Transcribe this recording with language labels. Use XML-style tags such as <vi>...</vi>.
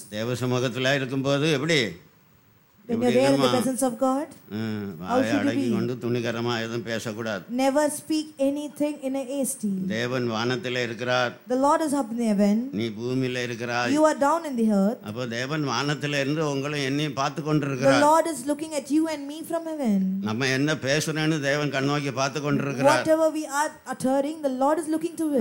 <ta>தேவ சமூகத்தில் இருக்கும்போது எப்படி?</ta> <en>When you're there in the presence of God, how should you be?</en> <ta>கொண்டு துணிகரமா எதுவும் பேசக்கூடாது.</ta> <en>Never speak anything in a hasty.</en> <ta>தேவன் வானத்தில் இருக்கிறார்.</ta> <en>The Lord is up in heaven.</en> <ta>நீ பூமியில் இருக்கிறாய்.</ta> <en>You are down in the earth.</en> <ta>அப்ப தேவன் வானத்தில் இருந்து உங்களை என்னையும் பார்த்து கொண்டிருக்கிறார்.</ta> <en>The Lord is looking at you and me from heaven.</en> <ta>நம்ம என்ன பேசுறேன்னு தேவன் கண் நோக்கி பார்த்து கொண்டிருக்கிறார்.</ta> <en>Whatever we are uttering, the Lord is looking to it.</en>